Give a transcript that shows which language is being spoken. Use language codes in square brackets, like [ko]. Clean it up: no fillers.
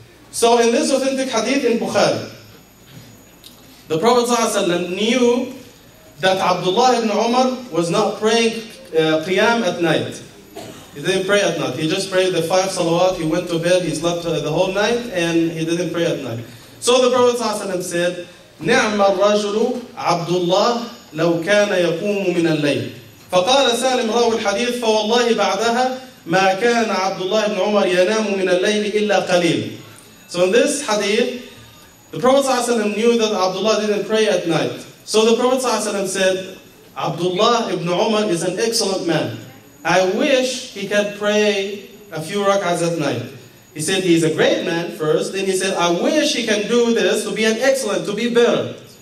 [en] So in this authentic hadith in Bukhari, the Prophet ﷺ knew that Abdullah ibn Umar was not praying Qiyam at night. He didn't pray at night. He just prayed the 5 salawat. He went to bed. He slept the whole night and he didn't pray at night. So the Prophet ﷺ said, [ar] نِعْمَ الرَّجُلُ عَبْدُ اللَّهِ لَوْ كَانَ يَقُومُ مِنَ اللَّيْلِ فَقَالَ سَالِمْ رَوِي الْحَدِيثِ فَوَاللَّهِ بَعْدَهَا مَا كَانَ عَبْدُ اللَّهِ بْنُ عُمَرْ يَنَامُ مِنَ اللَّيْلِ إِلَّا قَلِيلٍ. [en] So in this hadith, the Prophet ﷺ knew that Abdullah didn't pray at night. So the Prophet ﷺ said, Abdullah ibn Umar is an excellent man. I wish he could pray a few rak'ahs at night. He said he's a great man first. Then he said, I wish he can do this to be an excellent, to be better.